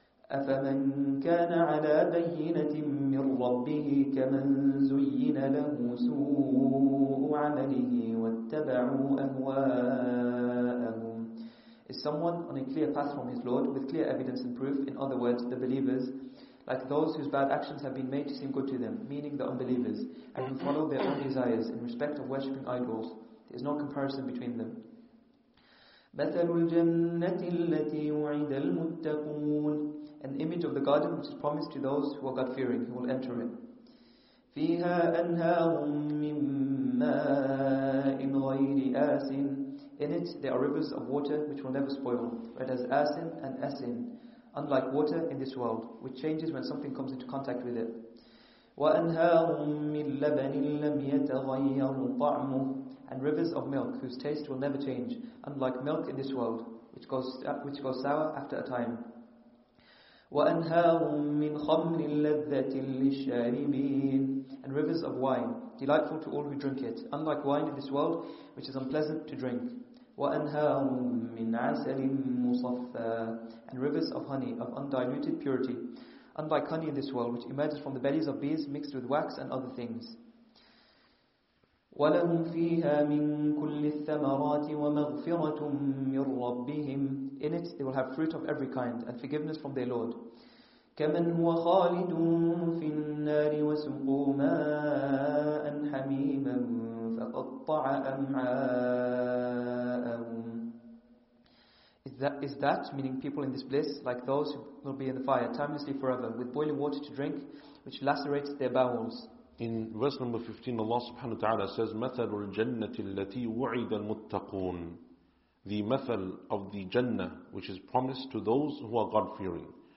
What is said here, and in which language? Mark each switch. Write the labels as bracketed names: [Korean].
[Arabic] أَفَمَنْ كَانَ عَلَىٰ بَيِّنَةٍ مِّنْ رَبِّهِ كَمَنْ زُيِّنَ لَهُ سُوءُ عَمَلِهِ وَاتَّبَعُوا أَهْوَاءَهُمْ. [English] Is someone on a clear path from his Lord, with clear evidence and proof, in other words, the believers, like those whose bad actions have been made to seem good to them, meaning the unbelievers, and who follow their own desires in respect of worshipping idols? There is no comparison between them. [Arabic] مثل الجنة التي وعد المتقون. [English] An image of the garden which is promised to those who are God-fearing, who will enter it. [Arabic] فيها أنهار من ماء غير آسن. [English] In it there are rivers of water which will never spoil, but as آسن and أسن, unlike water in this world, which changes when something comes into contact with it. [Arabic] وأنهار من لبن لم يتغير طعمه. [English] And rivers of milk whose taste will never change, unlike milk in this world, which goes sour after a time. [Arabic] وَأَنْهَارٌ مِّنْ خَمْرٍ لَذَّةٍ لِلشَّارِبِينَ. [English] And rivers of wine, delightful to all who drink it, unlike wine in this world, which is unpleasant to drink. [Arabic] وَأَنْهَارٌ مِّنْ عَسَلٍ مُصَفَّى. [English] And rivers of honey, of undiluted purity, unlike honey in this world, which emerges from the bellies of bees mixed with wax and other things. [Arabic] وَلَهُمْ فِيهَا مِنْ كُلِّ الثَّمَرَاتِ وَمَغْفِرَةٌ مِّنْ رَبِّهِمْ. [English] In it they will have fruit of every kind and forgiveness from their Lord. [Arabic] كَمَنْ هُوَ خَالِدٌ فِي النَّارِ وَسُقُوا مَاءً حَمِيمًا فَقَطَّعَ أَمْعَاءَهُمْ. [English] Is that, meaning people in this bliss, like those who will be in the fire timelessly forever, with boiling water to drink, which lacerates their bowels? In verse number 15, Allah subhanahu wa ta'ala says, [Arabic] مَثَلُ الْجَنَّةِ الَّتِي وُعِدَ الْمُتَّقُونَ. [English] The مَثَل of the Jannah, which is promised to those who are God-fearing.